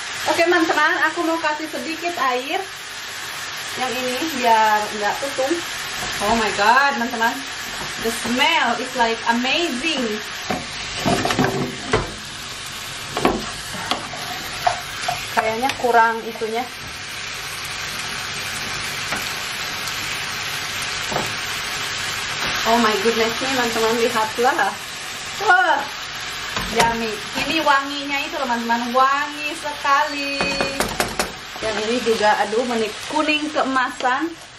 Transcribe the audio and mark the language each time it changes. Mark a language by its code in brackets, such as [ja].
[id] Oke, teman-teman, aku mau kasih sedikit air yang ini biar nggak tutung. [en] Oh my god, teman-teman, the smell is like amazing. [id] Kayaknya kurang itunya. Oke, [en] Oh my goodness, [id] ini teman-teman lihatlah. Wah, yummy. Ini wanginya itu teman-teman, wangi sekali. Dan ini juga, aduh, menik kuning keemasan.